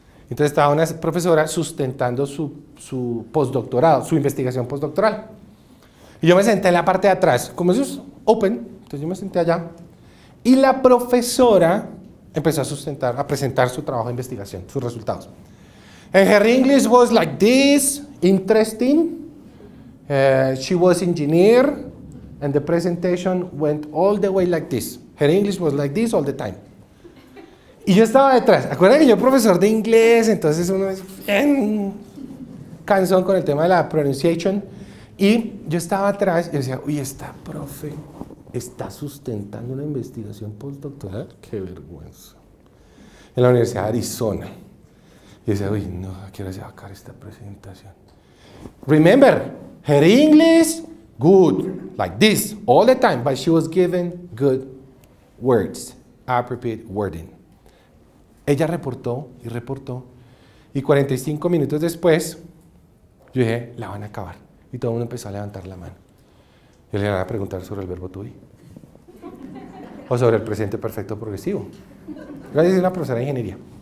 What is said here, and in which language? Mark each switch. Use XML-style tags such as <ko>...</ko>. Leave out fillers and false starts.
<es>Entonces estaba una profesora sustentando su postdoctorado, su investigación postdoctoral. Y yo me senté en la parte de atrás, como eso es open, entonces yo me senté allá. Y la profesora empezó a presentar su trabajo de investigación, sus resultados.</es> <en>And her English was like this, interesting. She was engineer, and the presentation went all the way like this. Her English was like this all the time.</en> <es>Y yo estaba detrás. Acuérdate que yo profesor de inglés, entonces uno es bien cansón con el tema de la pronunciation. Y yo estaba atrás y decía, uy, esta profe está sustentando una investigación postdoctoral. ¡Qué vergüenza! En la Universidad de Arizona. Y decía, uy, no, quiero sacar esta presentación.</es> <en>Remember, Her English, good, like this, all the time, but she was given good words, appropriate wording.</en> <es>Ella reportó y reportó, y 45 minutos después, yo dije, la van a acabar. Y todo el mundo empezó a levantar la mano. Yo le iba a preguntar sobre el verbo to be. O sobre el presente perfecto progresivo. Gracias a una profesora de ingeniería.</es>